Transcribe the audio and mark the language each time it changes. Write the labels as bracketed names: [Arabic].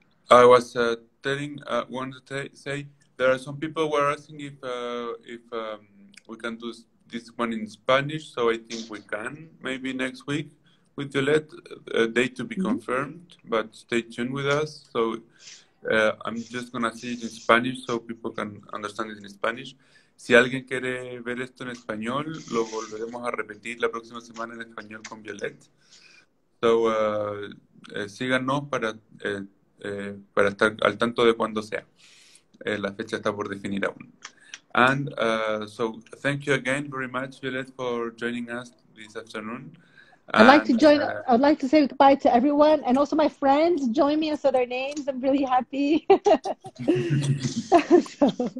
[English] I was wanted to say there are some people were asking if we can do this one in Spanish. So I think we can maybe next week with Violette. Date to be confirmed, but stay tuned with us. So I'm just gonna say it in Spanish so people can understand it in Spanish. [Spanish] Si alguien quiere ver esto en español, lo volveremos a repetir la próxima semana en español con Violette. So, síganos para estar al tanto de cuando sea. La fecha está por definir aún. [English] And so, thank you again very much, Violette, for joining us this afternoon. I'd like to say goodbye to everyone, and also my friends, join me and say their names. I'm really happy. So.